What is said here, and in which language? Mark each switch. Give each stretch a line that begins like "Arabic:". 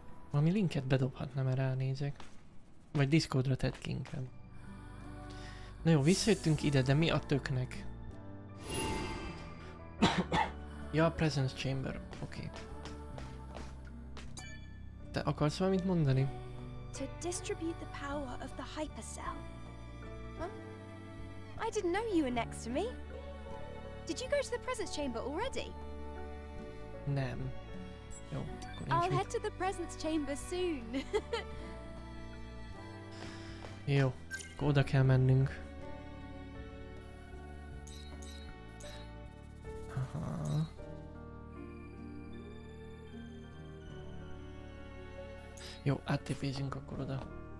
Hungarian: Valami linket bedobhatnám, erre ránézek. Vagy Discordra tett ki inkább. Na jó, visszajöttünk ide, de mi a töknek? Ja, Presence Chamber. Oké. Okay. Te akarsz valamit mondani?
English: To distribute the power of the hypercell. Huh? I didn't know you were next to me. Did you go to the Presence Chamber already?
Hungarian: Nem. Jó, akkor nincs mit.
English: I'll head to the presence chamber soon.
Hungarian: Jó, akkor oda kell mennünk. Aha. Jó, áttépézünk akkor oda.